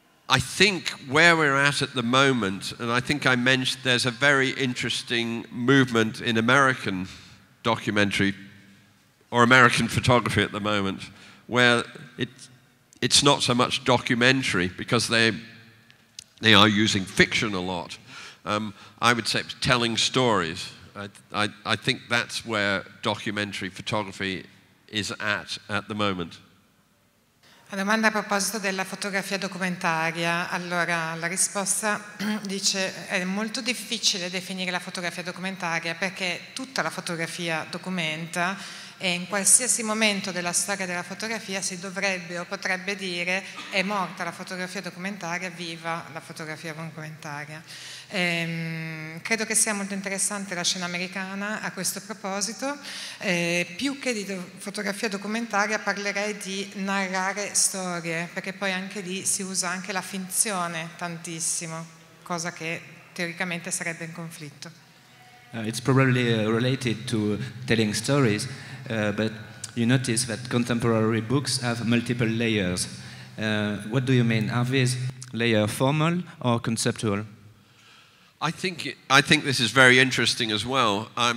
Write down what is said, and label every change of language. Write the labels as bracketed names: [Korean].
[English] I think where we're at the moment, and I think I mentioned there's a very interesting movement in American documentary or American photography at the moment, where it's not so much documentary because they are using fiction a lot. I would say telling stories. I think that's where documentary photography is at the moment. [Italian] La domanda a proposito della fotografia documentaria. Allora, la risposta dice è molto difficile definire la fotografia documentaria perché tutta la fotografia documenta e in qualsiasi momento della storia della fotografia si dovrebbe o potrebbe dire è morta la fotografia documentaria, viva la fotografia documentaria. Credo che sia molto interessante la scena americana a questo proposito. Più che di fotografia documentaria parlerei di narrare storie, perché poi anche lì si usa anche la finzione tantissimo, cosa che teoricamente sarebbe in conflitto. [English] It's probably related to telling stories, but you notice that contemporary books have multiple layers. What do you mean? Are these layers formal or conceptual? I think this is very interesting as well.